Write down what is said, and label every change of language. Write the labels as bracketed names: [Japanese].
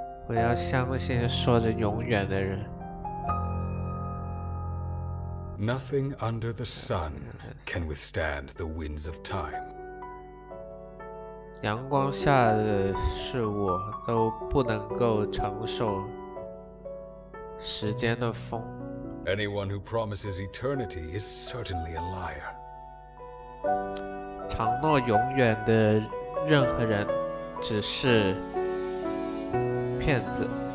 [Chinese] I 要相信说着永远的人 [English] Nothing under the sun can withstand the winds of time. [Chinese] 阳光下的事物都不能够承受时间的风 [English] Anyone who promises eternity is certainly a liar. [Chinese] 承诺永远的任何人只是骗子。